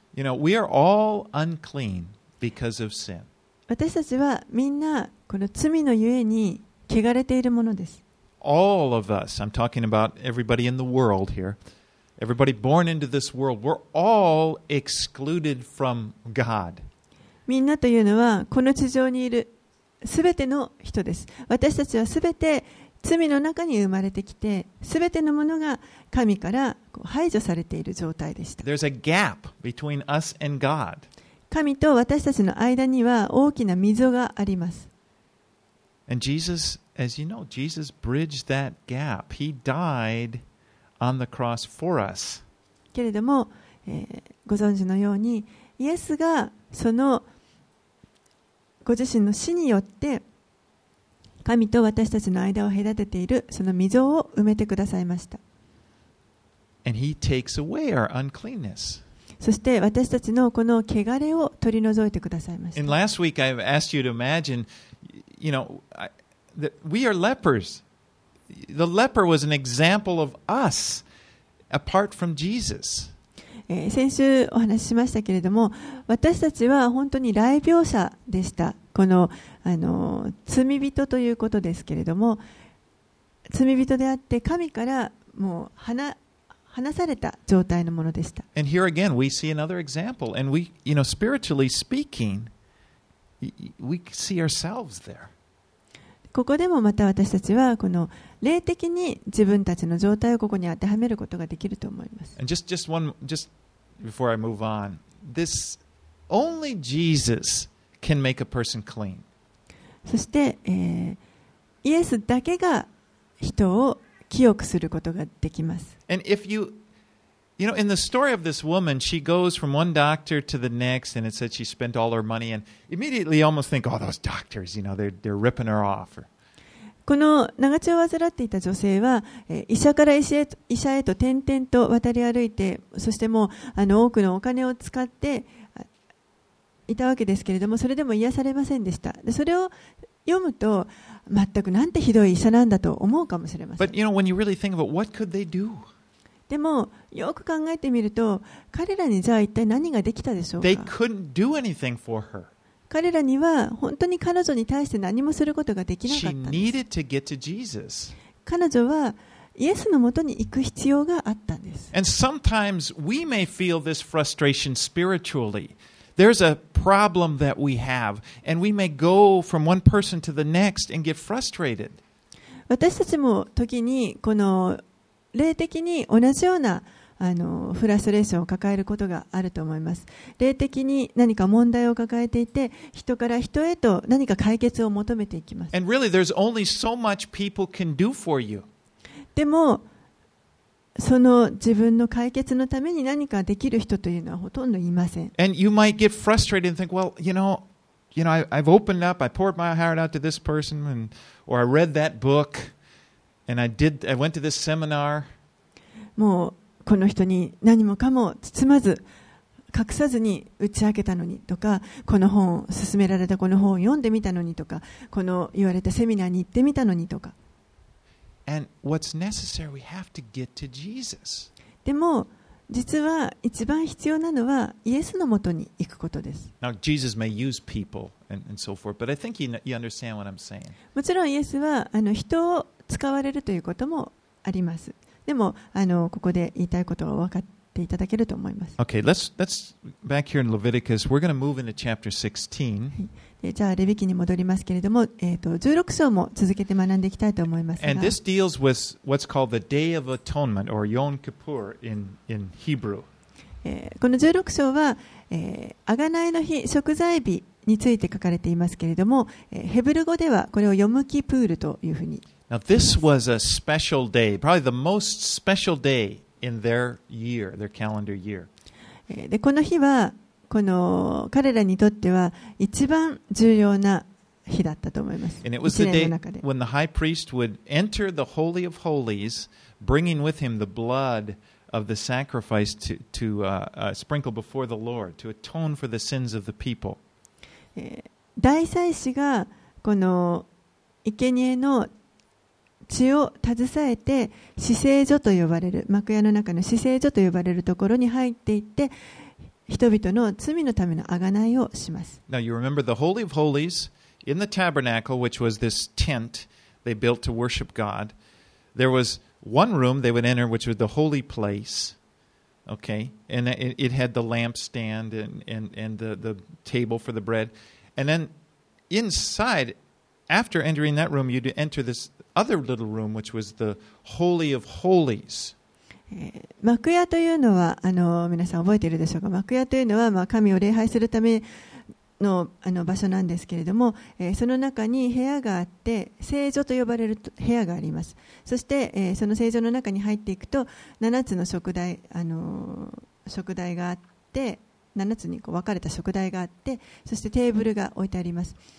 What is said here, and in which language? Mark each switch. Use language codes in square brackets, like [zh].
[en] You know, we are all unclean because of sin. [ja] 私たちはみんなこの罪のゆえに汚れているものです。 [en] All of us, I'm talking about everybody in the world here. Everybody born into this world, we're all excluded from God. [ja] みんなというのはこの地上にいるすべての人です。私たちはすべて罪の中に生まれてきて、すべてのものが神から排除されている状態でした。 [en] There's a gap between us and God. [ja] 神と私たちの間には大きな溝があります。 [en] And Jesus, as you know, Jesus bridged that gap. He died on the cross for us. [ja] けれども、ご存知のようにイエスがそのご自身の死によって神と私たちの間を隔てているその溝を埋めてくださいました。 [en] And he takes away our uncleanness. [ja] そして私たちのこの汚れを取り除いてくださいました。 [en] And last week I asked you to imagine, you know, that we are lepers. The leper was an example of us apart from Jesus. [ja] 先週お話ししましたけれども、私たちは本当に来病者でした。この、罪人ということですけれども、罪人であって神からもう離された状態のものでした。 [en] And here again, we see another example. And we, you know, spiritually speaking, we see ourselves there. [ja] ここでもまた私たちはこの霊的に自分たちの状態をここに当てはめることができると思います。 [en] Just before I move on, this only Jesus can make a person clean. [ja] そして、イエスだけが人を清くすることができます。 [en] And if you, you know, in the story of this woman, she goes from one doctor to the next, and it said she spent all her money, and immediately you almost think, oh, those doctors, you know, they're ripping her off. [ja] この長丁を患っていた女性は、医者から医者へと転々と渡り歩いて、そしてもう多くのお金を使っていたわけですけれども、それでも癒されませんでした。で、それを読むと、全くなんてひどい医者なんだと思うかもしれません。 [en] But, you know, when you really think about what could they do? [ja] でもよく考えてみると彼らにじゃあ一体何ができたでしょうか。 [en] They couldn't do anything for her. [ja] 彼らには本当に彼女に対して何もすることができなかったんです。 [en] She needed to get to Jesus. [ja] 彼女はイエスのもとに行く必要があったんです。 [en] And sometimes we may feel this frustration spiritually. There's a problem that we have, and we may go from one person to the next and get frustrated. [ja] 私たちも時にこの霊的に同じようなフラストレーションを抱えることがあると思います。霊的に何か問題を抱えていて、人から人へと何か解決を求めていきます。 [en] And really, there's only so much people can do for you. [ja] でもその自分の解決のために何かできる人というのはほとんどいません。 [en] And you might get frustrated and think, well, you know, I've opened up, I poured my heart out to this person, and, or I read that bookAnd I went to this seminar. [ja] もうこの人に何もかも包まず隠さずに打ち明けたのにとか、この本を勧められたこの本を読んでみたのにとか、この言われたセミナーに行ってみたのにとか。 [en] And what's necessary, we have to get to Jesus. [ja] でも実は一番必要なのはイエスのもとに行くことです。 [en] Now Jesus may use people and so forth, but I think you understand what I'm saying. [ja] もちろんイエスは人を使われるということもあります。でもここで言いたいことは分かっていただけると思います。 [en] Okay, let's back here in Leviticus. We're going to move into chapter 16. [ja] じゃあレビ記に戻りますけれども、16章も続けて学んでいきたいと思いますが。 [en] And this deals with what's called the Day of Atonement or Yom Kippur in Hebrew. [ja] この16章は、贖いの日、贖罪日について書かれていますけれども、ヘブル語ではこれをヨムキプールというふうに。 [en] Now this was a special day, probably the most special day in their year, their calendar year. [ja] で、この日はこの彼らにとっては一番重要な日だったと思います。 [en] And it was the day when the high priest would enter the Holy of Holies, bringing with him the blood of the sacrifice to sprinkle before the Lord, to atone for the sins of the people. [ja] 大祭司がこの生贄の血を携えて死聖所と呼ばれる幕屋の中の死聖所と呼ばれるところに入っていって、人々の罪のための贖いをします。 [en] Now you remember the Holy of Holies in the tabernacle, which was this tent they built to worship God. There was one room they would enter, which was the holy place. Okay. And it had the lampstand and the table for the bread. And then inside, after entering that room, you'd enter this other little room, which was the Holy of Holies. [ja] 幕屋というのは皆さん覚えているでしょうか。幕屋というのは、神を礼拝するため の, 場所なんですけれども、その中に部屋があって、聖所と呼ばれる部屋があります。そして、その聖所の中に入っていくと7つの食 台,、食台があって、7つにこう分かれた食台があって、そしてテーブルが置いてあります。